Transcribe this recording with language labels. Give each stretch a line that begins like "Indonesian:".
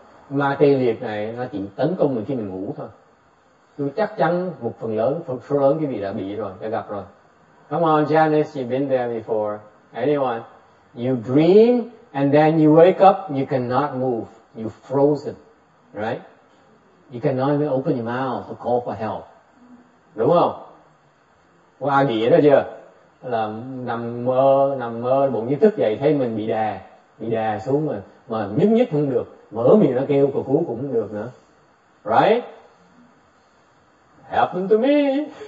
Vietnamese: Ma tê liệt này nó chỉ tấn công mình khi mình ngủ thôi. Tôi chắc chắn một phần lớn, phần số lớn quý vị đã bị rồi, đã gặp rồi.
English: Come on, Janice, you've been there before. Anyone? You dream and then you wake up, you cannot move. You're frozen, right? You cannot even open your mouth to call for help.
Vietnamese: Đúng không? Có ai bị đó chưa? Là nằm mơ bụng như thức dậy thấy mình bị đè xuống mà nhúc nhích không được, mở miệng ra kêu cầu cứu cũng không được nữa, right?
English: Happened to me.